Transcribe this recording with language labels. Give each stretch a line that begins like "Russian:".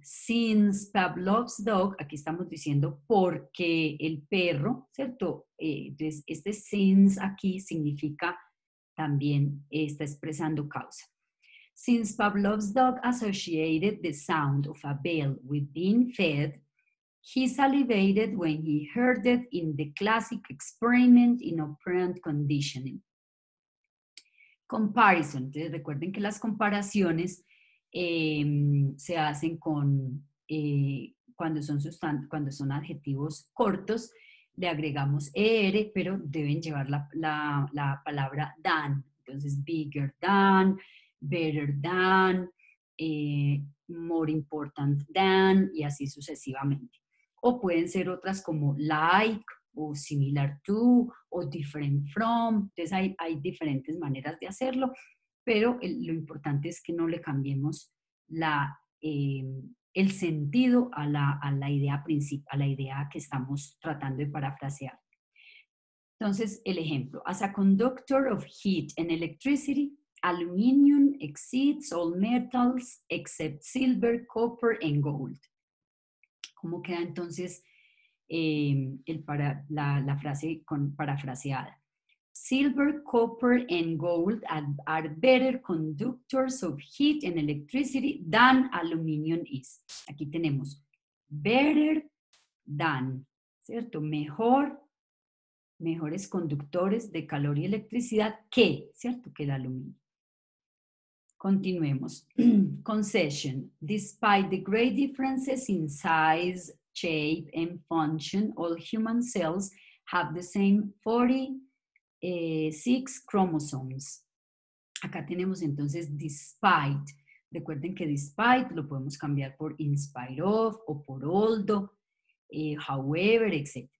English: Since Pavlov's dog,
Spanish: aquí estamos diciendo porque el perro, ¿cierto? Entonces este since aquí significa también está expresando causa.
English: Since Pavlov's dog associated the sound of a bell with being fed, he salivated when he heard it in the classic experiment in operant conditioning.
Spanish: Comparison. Entonces, recuerden que las comparaciones se hacen con cuando son adjetivos cortos, le agregamos er, pero deben llevar la palabra than. Entonces,
English: bigger than, better than, more important than,
Spanish: y así sucesivamente. O pueden ser otras como like, o similar to, o different from. Entonces hay diferentes maneras de hacerlo, pero lo importante es que no le cambiemos el sentido a la idea principal, a la idea que estamos tratando de parafrasear. Entonces, el ejemplo.
English: As a conductor of heat and electricity, aluminium exceeds all metals except silver, copper and gold.
Spanish: ¿Cómo queda entonces la frase parafraseada?
English: Silver, copper and gold are better conductors of heat and electricity than aluminium is.
Spanish: Aquí tenemos better than, ¿cierto? Mejores conductores de calor y electricidad que, ¿cierto? Que el aluminio. Continuemos. Concession.
English: Despite the great differences in size, shape, and function, all human cells have the same 46 chromosomes.
Spanish: Acá tenemos entonces despite. Recuerden que despite lo podemos cambiar por in spite of o por although, however, etc.